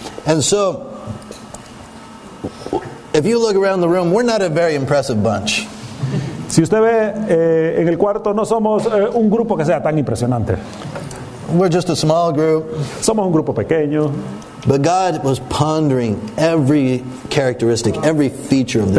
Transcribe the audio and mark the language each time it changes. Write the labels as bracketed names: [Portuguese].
[English] And so, if you look around the room, we're not a very impressive bunch. [Spanish] Si usted ve en el cuarto, no somos un grupo que sea tan impresionante. [English] We're just a small group. [Spanish] Somos un grupo pequeño. [English] But God was pondering every characteristic, every feature of this.